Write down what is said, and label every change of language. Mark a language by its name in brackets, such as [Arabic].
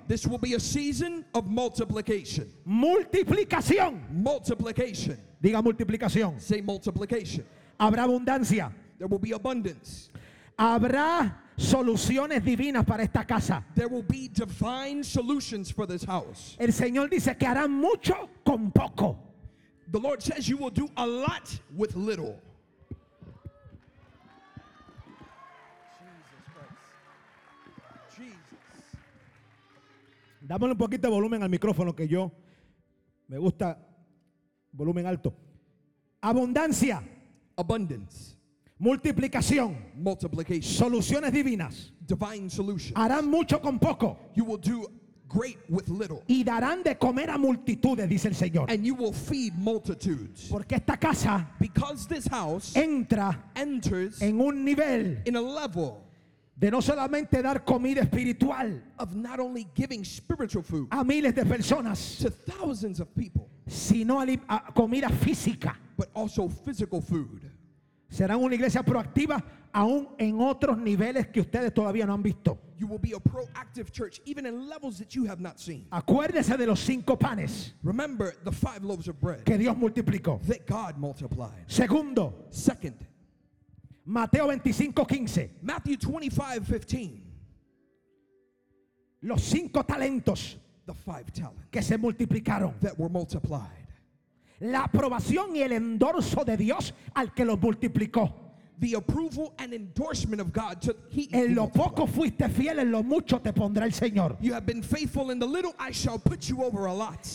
[English] This will be a season of multiplication. [Spanish] Multiplicación. [English] Multiplication. [Spanish] Diga multiplicación. [English] Say multiplication. [Spanish] Habrá abundancia. [English] There will be abundance. [Spanish] Habrá soluciones divinas para esta casa. [English] There will be divine solutions for this house. [Spanish] El Señor dice que hará mucho con poco. [English] The Lord says you will do a lot with little. Jesus Christ. Jesus. [Spanish] Dámosle un poquito de volumen al micrófono que yo me gusta volumen alto. Abundancia. [English] Abundance. [Spanish] Multiplicación. [English] Multiplication. [Spanish] Soluciones divinas. [English] Divine solutions. [Spanish] Harán mucho con poco. [English] You will do great with little. [Spanish] Y darán de comer a multitudes, dice el Señor. [English] And you will feed multitudes. [Spanish] Porque esta casa, [English] because this house, [Spanish] entra, [English] enters, [Spanish] en un nivel, [English] in a level, [Spanish] de no solamente dar comida espiritual, [English] of not only giving spiritual food, [Spanish] a miles de personas, [English] to thousands of people, [Spanish] sino a comida física, [English] but also physical food. [Spanish] Serán una iglesia proactiva aún en otros niveles que ustedes todavía no han visto. [English] You will be a proactive church even in levels that you have not seen. [Spanish] Acuérdese de los cinco panes. [English] Remember the five loaves of bread. [Spanish] Que Dios multiplicó. [English] That God multiplied. [Spanish] Segundo. [English] Second. [Spanish] Mateo 25, 15. [English] Matthew 25, 15. [Spanish] Los cinco talentos. [English] The five talents. [Spanish] Que se multiplicaron. [English] That were multiplied. [Spanish] La aprobación y el endorso de Dios al que los multiplicó. [English] The approval and endorsement of God to he. [Spanish] En lo poco fuiste fiel, en lo mucho te pondrá el Señor. [English] You have been faithful in the little, I shall put you over a lot.